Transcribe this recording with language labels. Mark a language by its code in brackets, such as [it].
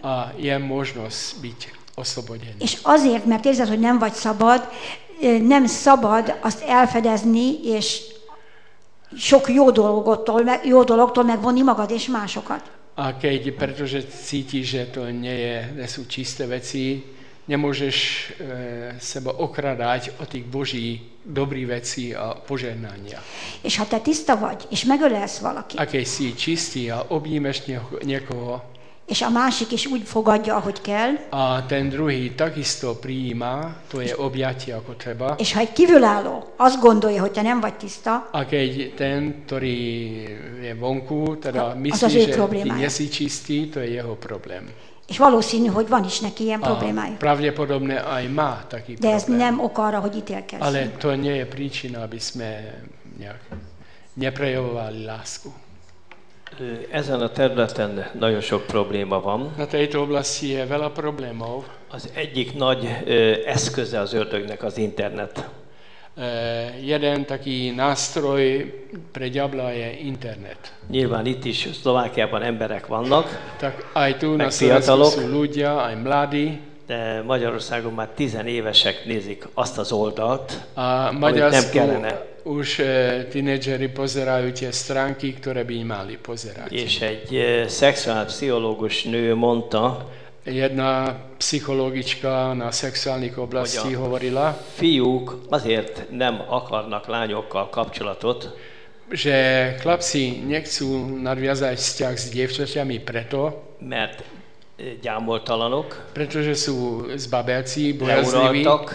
[sk] A je možnosť byť oszlobodený. [hu] És azért, mert érzed, hogy nem vagy szabad, nem szabad azt elfedezni, és sok jó dologtól megvonni magad és másokat. [sk] A keď, pretože cítiš, že to nie sú čisté veci, nemôžeš seba okradať o tých Boží dobrý veci a požehnania. [hu] És ha te tiszta vagy, és megölelsz valaki. [sk] A keď si čistý a objímeš niekoho. [hu] És a másik is úgy fogadja, ahogy kell. [sk] A ten druhý takisto prijíma, to je objatie, ako treba. [hu] És ha egy kívülálló azt gondolja, hogy te nem vagy tiszta. [sk] A keď ten, ktorý je vonku, teda myslí, že ty nie si čistý, to je jeho problém. [hu] És valószínű, hogy van is neki ilyen problémája. [sk] Pravdepodobne aj má taký problém. [hu] De ez nem ok arra, hogy ítélkezzünk. [sk] Ale to nie je príčina, aby sme nejak neprejavovali lásku. [hu] Ezen a területen nagyon sok probléma van. [sk] Na tejto oblasti je veľa problémov. [hu] Az egyik nagy eszköze az ördögnek az internet. [sk] Jeden taký nástroj pre diabla je internet. [hu] Nyilván itt is Szlovákiában emberek vannak. [sk] Tak aj tu na Szlovákiában sú ľudia, aj mladí. [hu] De Magyarországon már 10 évesek nézik azt az oldalt, a amit nem kellene. [sk] Už tínedžeri pozerajú tie stránky, ktoré by mali pozerať. [hu] És egy sexuál pszichológus nő mondta, [sk] jedna psychologička na sexuálnych oblasti hovorila, [hu] fiúk azért nem akarnak lányokkal kapcsolatot, [sk] že chlapci nechcú nadviazať vzťah s dievčaťami preto, [hu] mert gyámoltalanok, [sk] pretože sú zbabelci, bojazliví,